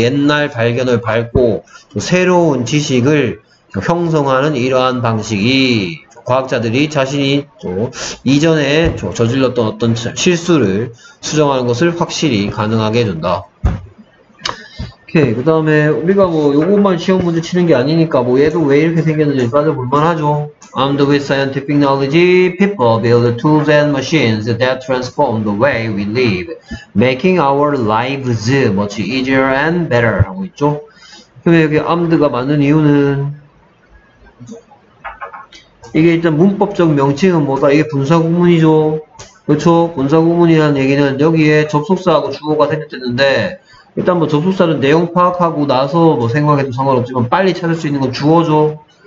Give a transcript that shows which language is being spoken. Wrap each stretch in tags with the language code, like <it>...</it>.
<ko>옛날 발견을 밟고 새로운 지식을 형성하는 이러한 방식이 과학자들이 자신이 또 이전에 저질렀던 어떤 실수를 수정하는 것을 확실히 가능하게 해준다. 오케이. 그 다음에 우리가 뭐 요것만 시험 문제 치는 게 아니니까 뭐 얘도 왜 이렇게 생겼는지 따져볼만 하죠.</ko> <en>Armed with scientific knowledge, people build tools and machines that transform the way we live, making our lives much easier and better</en> <ko>하고 있죠. 그러면 여기 armed가 맞는 이유는 이게 일단 문법적 명칭은 뭐다? 이게 분사구문이죠. 그렇죠? 분사구문이라는 얘기는 여기에 접속사하고 주어가 생겼는데 일단 뭐 접속사는 내용 파악하고 나서 뭐 생각해도 상관없지만 빨리 찾을 수 있는 건 주어죠.</ko>